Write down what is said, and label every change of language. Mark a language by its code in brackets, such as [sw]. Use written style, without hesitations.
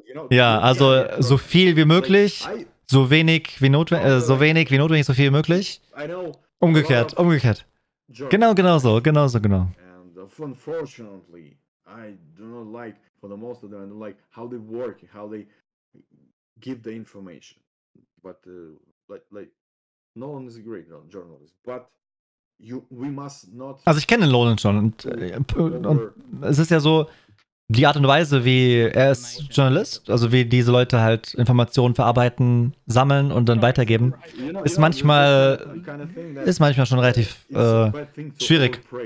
[de] Ja, also so viel wie möglich, so wenig wie notwendig, so viel wie möglich. Umgekehrt. Genau so. [en] And unfortunately, I do not like, for the most of them, I don't like how they work, how they give the information. But like no one is a great journalist, but we must not. [de] Also ich kenne Nolan schon und es ist ja so, die Art und Weise, wie er ist Journalist, also wie diese Leute halt Informationen verarbeiten, sammeln und dann weitergeben, ist manchmal schon relativ schwierig.